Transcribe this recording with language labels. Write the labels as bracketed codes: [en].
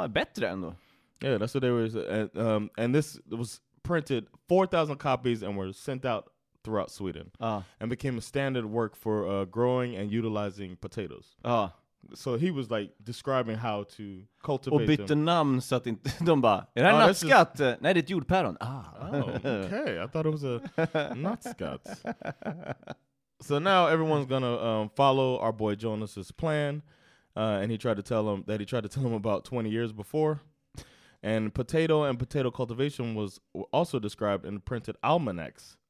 [sv] Bättre ändå. [en] Yeah, that's what they were. And this was printed 4,000 copies and were sent out throughout Sweden and became a standard work for growing and utilizing potatoes. So he was like describing how to cultivate them. [sv] Och bytte [en] them. [sv] Namn så att inte de bara, är det här nötskatt? Just... Nej, det är ett jordpäron. Ah. [en] Oh, okay. I thought it was a nötskatt. So now everyone's going to follow our boy Jonas's plan. And he tried to tell him about 20 years before. And potato cultivation was also described in printed almanacs.